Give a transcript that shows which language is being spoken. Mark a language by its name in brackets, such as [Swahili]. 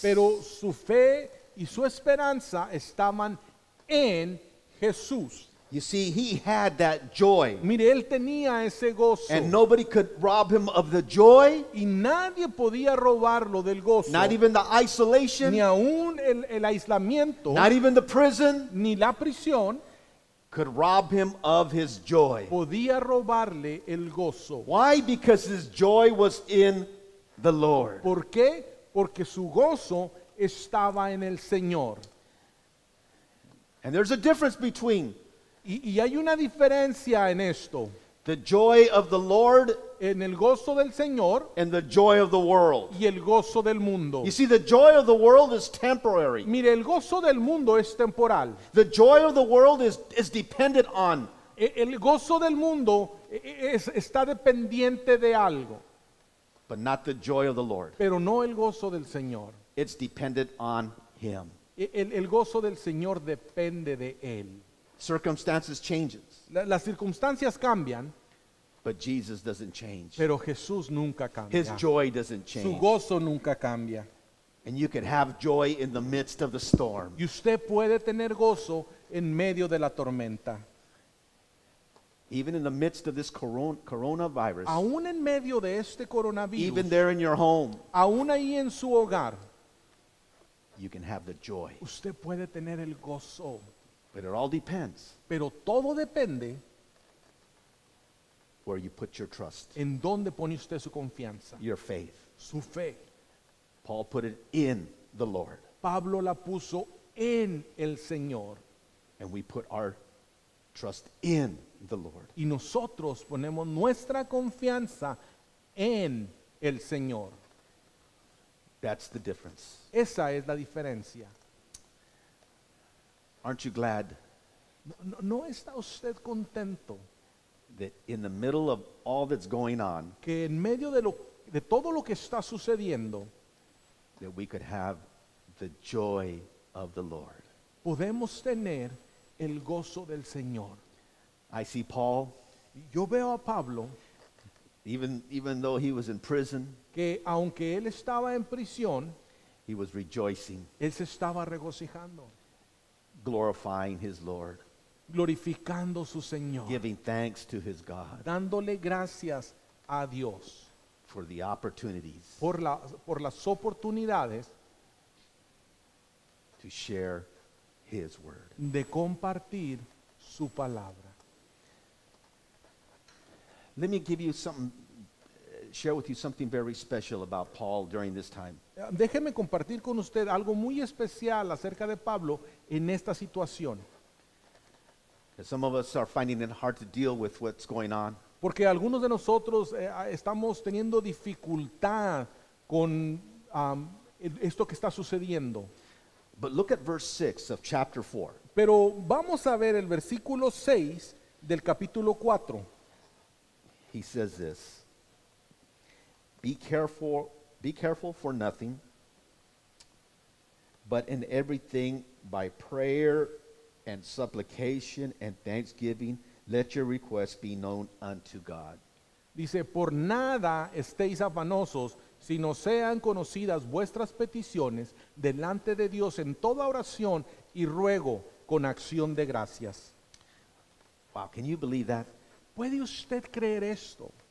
[Spanish] Pero su fe y su esperanza estaban en Jesús. [English] You see, he had that joy. [Spanish] Mire, él tenía ese gozo. [English] And nobody could rob him of the joy. [Spanish] Y nadie podía robarlo del gozo. [English] Not even the isolation. [Spanish] Ni aún el aislamiento. [English] Not even the prison. [Spanish] Ni la prisión. [English] Could rob him of his joy. [Spanish] Podía robarle el gozo. [English] Why? Because his joy was in the Lord. [Spanish] ¿Por qué? Porque su gozo estaba en el Señor. [English] And there's a difference between. [Spanish] Y hay una diferencia en esto. [English] The joy of the Lord. [Spanish] En el gozo del Señor. [English] And the joy of the world. [Spanish] Y el gozo del mundo. [English] You see, the joy of the world is temporary. [Spanish] Mire, el gozo del mundo es temporal. [English] The joy of the world is dependent on. [Spanish] El gozo del mundo está dependiente de algo. [English] But not the joy of the Lord. [Spanish] Pero no el gozo del Señor. [English] It's dependent on him. [Spanish] El gozo del Señor depende de él. [English] Circumstances changes. [Spanish] Las circunstancias cambian. [English] But Jesus doesn't change. [Spanish] Pero Jesús nunca cambia. [English] His joy doesn't change. [Spanish] Su gozo nunca cambia. [English] And you can have joy in the midst of the storm. [Spanish] Y usted puede tener gozo en medio de la tormenta. [English] Even in the midst of this coronavirus. [Spanish] Aún en medio de este coronavirus. [English] Even there in your home. [Spanish] Aún ahí en su hogar. [English] You can have the joy. [Spanish] Usted puede tener el gozo. [English] But it all depends. [Spanish] Pero todo depende. [English] Where you put your trust. [Spanish] En dónde pone usted su confianza. [English] Your faith. [Spanish] Su fe. [English] Paul put it in the Lord. [Spanish] Pablo la puso en el Señor. [English] And we put our trust in the Lord. [Spanish] Y nosotros ponemos nuestra confianza en el Señor. [English] That's the difference. [Spanish] Esa es la diferencia. [English] Aren't you glad? [Spanish] ¿No está usted contento? [English] That in the middle of all that's going on. [Spanish] Que en medio de todo lo que está sucediendo. [English] That we could have the joy of the Lord. [Spanish] Podemos tener el gozo del Señor. [English] I see Paul. [Spanish] Yo veo a Pablo. [English] Even though he was in prison. [Spanish] Que aunque él estaba en prisión. [English] He was rejoicing. [Spanish] Él se estaba regocijando. [English] Glorifying his Lord. [Spanish] Glorificando su Señor. [English] Giving thanks to his God. [Spanish] Dándole gracias a Dios. [English] For the opportunities. [Spanish] Por las oportunidades. [English] To share his word. [Spanish] De compartir su palabra. [English] Let me give you something. Share with you something very special about Paul during this time. [Spanish] Déjeme compartir con usted algo muy especial acerca de Pablo en esta situación. [English] Some of us are finding it hard to deal with what's going on. [Spanish] Porque algunos de nosotros estamos teniendo dificultad con esto que está sucediendo. [English] But look at verse 6 of chapter 4. [Spanish] Pero vamos a ver el versículo 6 del capítulo 4. [English] He says this. Be careful for nothing, but in everything by prayer and supplication and thanksgiving, let your requests be known unto God. [Spanish] Dice, por nada estéis afanosos, sino sean conocidas vuestras peticiones delante de Dios en toda oración y ruego con acción de gracias. [English] Wow, can you believe that? [Spanish] ¿Puede usted creer esto?